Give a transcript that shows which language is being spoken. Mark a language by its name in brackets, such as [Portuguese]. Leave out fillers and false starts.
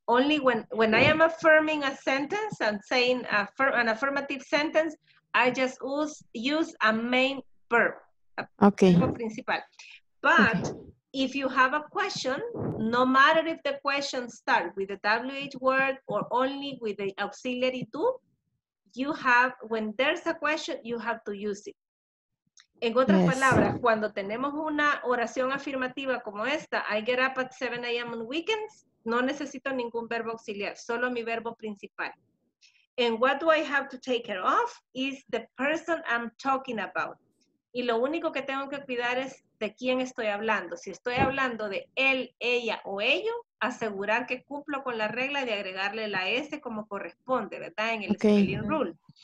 [English] Only when I am affirming a sentence and saying an affirmative sentence, I just use a main verb, principal. But if you have a question, no matter if the question starts with the WH word or only with the auxiliary do, when there's a question, you have to use it. [Spanish] En otras palabras, cuando tenemos una oración afirmativa como esta, [English] I get up at 7 a.m. on weekends, [Spanish] no necesito ningún verbo auxiliar, solo mi verbo principal. [English] And what do I have to take care of is the person I'm talking about. [Spanish] Y lo único que tengo que cuidar es de quién estoy hablando. Si estoy hablando de él, ella o ello, asegurar que cumplo con la regla de agregarle la S como corresponde, ¿verdad? En el spelling rule.